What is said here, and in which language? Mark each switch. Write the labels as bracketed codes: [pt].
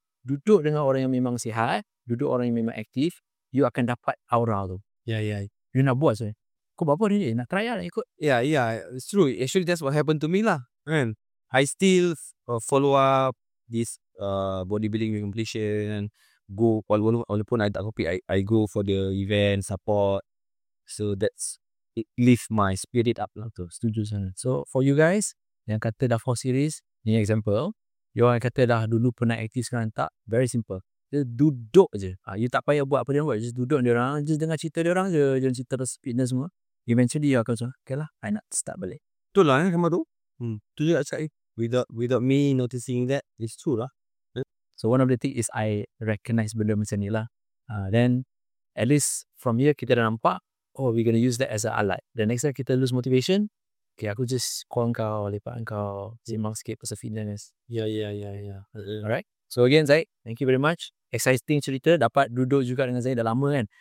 [ms] Duduk dengan orang yang memang sihat, duduk orang yang memang aktif, you akan dapat aura tu. [en] Yeah, yeah. [ms] You nak buat sebenarnya. Kau buat apa ni? Nak try lah, ikut. [en] Yeah, yeah. It's true. Actually, that's what happened to me lah. Kan? I still follow up this bodybuilding competition. Go, [ms] walaupun [en] I tak copy, I go for the event, support. So that's, it lift my spirit up lah tu. [ms] Setuju sana. [en] So for you guys, [ms] yang kata dah 4 series, ni example, you orang kata dah dulu pernah aktif sekarang tak, [en] very simple. [ms] Just duduk je. You tak payah buat apa dia buat, just duduk dia orang, just dengar cerita dia orang je, jangan cerita fitness semua. Eventually you akan macam, okay lah, I nak start balik. Betul lah kan, tu. Tu juga cakap, [en] without me noticing that, it's true [ms] lah. [en] So one of the thing is I recognize [ms] benda macam ni lah. [en] Then at least from here kita dah nampak, oh, we're going to use that as an alat. The next time [ms] kita lose motivation, okay, aku just call kau, lepak kau, simak sikit pasal fitness. [en] Yeah, yeah, yeah, yeah. Alright. So again Zaid, thank you very much. [ms] Exciting cerita, dapat duduk juga dengan Zaid dah lama kan.